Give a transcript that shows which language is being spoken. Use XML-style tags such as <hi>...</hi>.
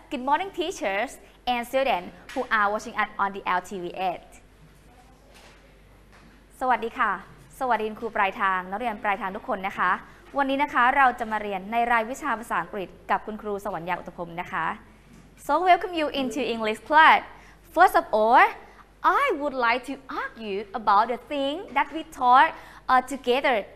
<en>Good morning, teachers and students who are watching us on the LTV8.</en> <th>สวัสดีค่ะสวัสดีครูปลายทางนักเรียนปลายทางทุกคนนะคะวันนี้นะคะเราจะมาเรียนในรายวิชาภาษาอังกฤษกับคุณครูสวรรค์ยาอุตพงศ์นะคะ</th> <en>So welcome you into English class. First of all, I would like to ask you about the thing that we taught together.</en>